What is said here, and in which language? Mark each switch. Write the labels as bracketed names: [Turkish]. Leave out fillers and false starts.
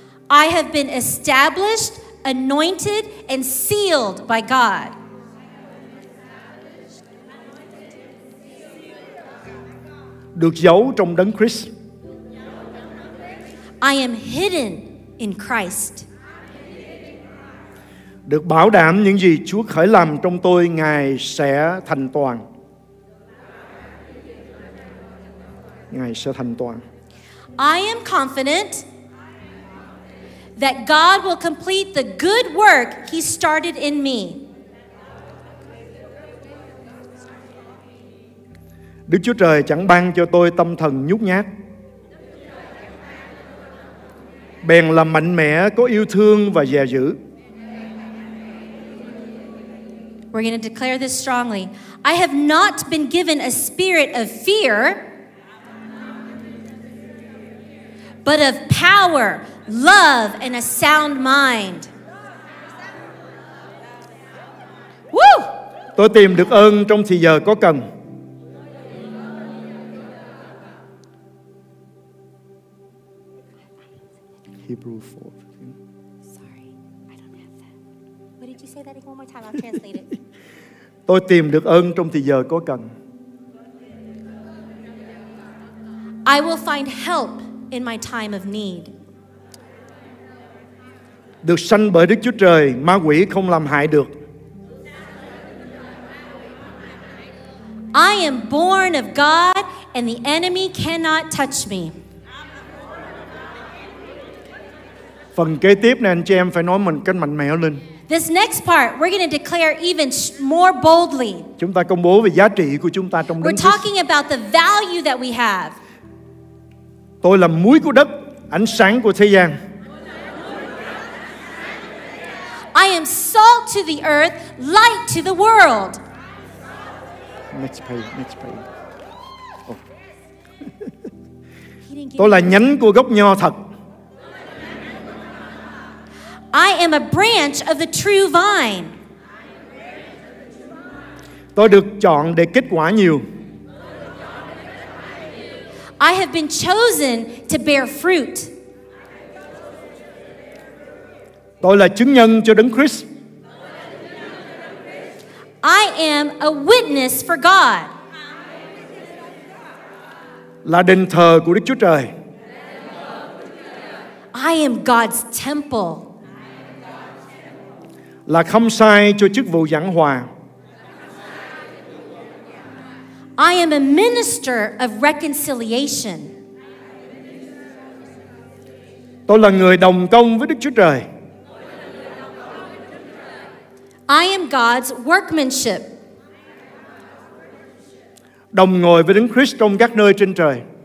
[English] I have been established, anointed, and sealed by God. [Vietnamese] Được giấu trong Đấng Christ. [English] I am hidden in Christ. [Vietnamese] Được bảo đảm những gì Chúa khởi làm trong tôi, Ngài sẽ thành toàn. Ngài sẽ thành toàn. [English] I am confident that God will complete the good work He started in me. [Vietnamese] Đức Chúa Trời chẳng ban cho tôi tâm thần nhút nhát, bèn là mạnh mẽ, có yêu thương và dè dữ. [English] We're going to declare this strongly. I have not been given a spirit of fear, but of power, love, and a sound mind. Woo! [Vietnamese] Tôi tìm được ơn trong thì giờ có cần. [English] Hebrew 4. Sorry, I don't have that. What did you say that one more time? I'll translate it. [Vietnamese] Tôi tìm được ơn trong thì giờ có cần. [English] I will find help in my time of need. [Vietnamese] Được sanh bởi Đức Chúa Trời, ma quỷ không làm hại được. [English] I am born of God and the enemy cannot touch me. [Vietnamese] Phần kế tiếp này anh chị em phải nói mình cách mạnh mẽ lên. [English] This next part we're going to declare even more boldly. [Vietnamese] Chúng ta công bố về giá trị của chúng ta trong [English] Đấng. We're talking about the value that we have. [Vietnamese] Tôi là muối của đất, ánh sáng của thế gian. [English] I am salt to the earth, light to the world. Next page. [Vietnamese] Tôi là nhánh của gốc nho thật. [English] I am a branch of the true vine. [Vietnamese] Tôi được chọn để kết quả nhiều. [English] I have been chosen to bear fruit. [Vietnamese] Tôi là chứng nhân cho Đấng Christ. [English] I am a witness for God. [Vietnamese] Là đền thờ của Đức Chúa Trời. [English] I am God's temple. [Vietnamese] Là không sai cho chức vụ giảng hòa. [English] I am a minister of reconciliation. [Vietnamese] Tôi là người đồng công với Đức Chúa Trời. [English] I am God's workmanship. [Vietnamese] Đồng ngồi với Đấng Christ trong các nơi trên trời.